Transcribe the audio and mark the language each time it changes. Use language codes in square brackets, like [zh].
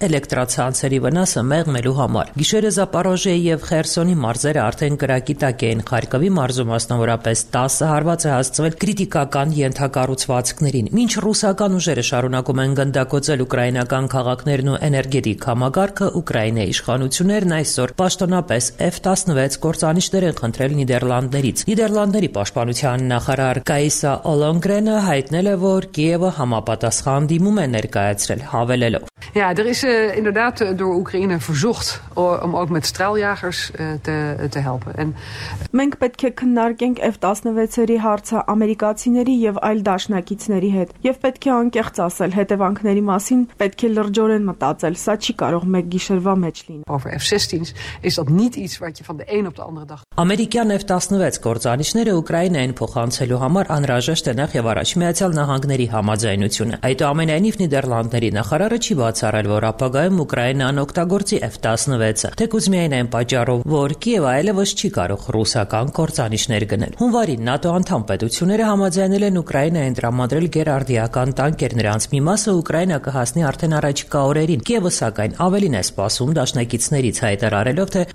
[hy] էլեկտրացանցերի վնասը մեղմելու համար։ Գիշերը Զապարոժիայի և Խերսոնի մարզերը արդեն կրակի տակ են։ Խարկովի մարզում մասնավորապես 10 հարված է հասցվել կրիտիկական ենթակառուցվածքներին։ Մինչ ռուսական ուժերը շարունակում են գնդակոծել ուկրաինական քաղաքներն ու էներգետիկա համագարկը, Ուկրաինայի իշխանություններն այսօր պաշտոնապես F-16 գործանիշներ են խնդրել Նիդերլանդներից։ Նիդերլանդների պաշտպանության նախարար Կայսա Օլոնգրենը հայտնել է, որ Կիևը համապատասխան դիմում է ներկայացրել, հավելելով. [nl] Ja, der is inderdaad door Oekraïne verzocht om ook met straaljagers te helpen. En [hy] մենք պետք է քննարկենք F-16-երի հարցը ամերիկացիների եւ այլ դաշնակիցների հետ, եւ պետք է անկեղծ ասել, հետևանքների մասին պետք է լրջորեն մտածել, սա չի կարող մեկ գիշերվա մեջ լինել։ [nl] Over F-16s is dat niet iets wat je van de een op de andere dag. [hy] Ամերիկյան F-16 գործանիշները Ուկրաինային փոխանցելու համար անհրաժեշտ է նախ եւ առաջ Միացյալ Նահանգների համաձայնությունը։ Այդուամենայնիվ Նիդերլանդների նախարարը չի բացառել, որ ապագայում Ուկրաինան օգտագործի F-16-ը, թեկուզ միայն այն պատճառով, որ Կիևը այլևս չի կարող ռուսական գործանիշներ գնել։ Հունվարին ՆԱՏՕ անդամ պետությունները համաձայնել են Ուկրաինային տրամադրել գերարդիական տանկեր, նրանց մի մասը Ուկրաինա կհասնի արդեն առաջիկա օրերին։ Կիևը, սակայն, ավելին է սպասում դաշնակիցներից հայտարարելով, թե